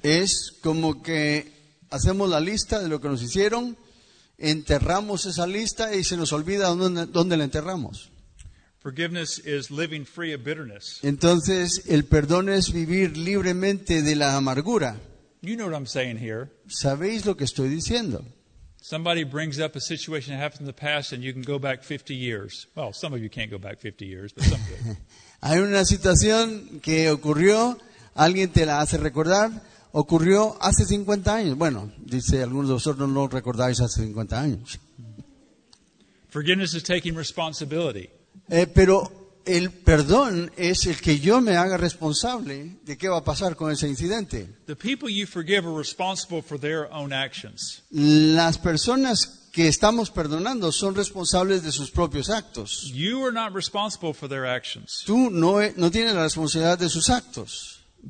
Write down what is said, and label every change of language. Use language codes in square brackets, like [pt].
[es] Es como que hacemos la lista de lo que nos hicieron, enterramos esa lista y se nos olvida dónde la enterramos. [en] Forgiveness is living free of bitterness. [es] Entonces, el perdón es vivir libremente de la amargura. [en] You know what I'm saying here. [es] ¿Sabéis lo que estoy diciendo? [en] Somebody brings up a situation that happened in the past and you can go back 50 years. Well, some of you can't go back 50 years, but some do. [es] Hay una situación que ocurrió, alguien te la hace recordar, ocurrió hace 50 años. Bueno, dice, algunos de vosotros no recordáis hace 50 años. [en] Forgiveness is taking responsibility. [es] Pero el perdón es el que yo me haga responsable de qué va a pasar con ese incidente. [en] The people you forgive are responsible for their own actions. [es] Las personas que estamos perdonando son responsables de sus propios actos. [en] You are not responsible for their actions. [es] Tú no tienes la responsabilidad de sus actos.